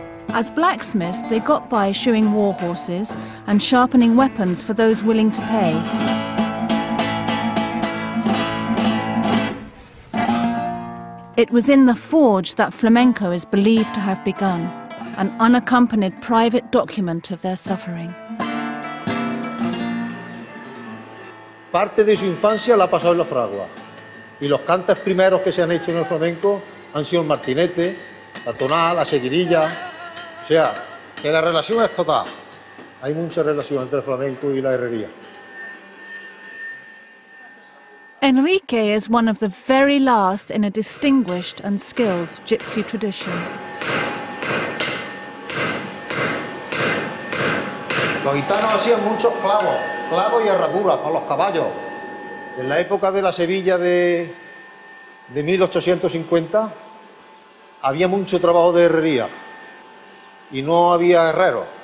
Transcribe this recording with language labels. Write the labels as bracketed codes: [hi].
[en] As blacksmiths, they got by shoeing war horses and sharpening weapons for those willing to pay. It was in the forge that flamenco is believed to have begun, an unaccompanied private document of their suffering. [es] Parte de su infancia la ha pasado en la fragua. Y los cantes primeros que se han hecho en el flamenco han sido el martinete, la tonal, la seguidilla. O sea, que la relación es total. Hay mucha relación entre el flamenco y la herrería. [en] Enrique is one of the very last in a distinguished and skilled gypsy tradition. [es] Los gitanos hacían muchos clavos, clavos y herraduras para los caballos. En la época de la Sevilla de 1850 había mucho trabajo de herrería y no había herreros.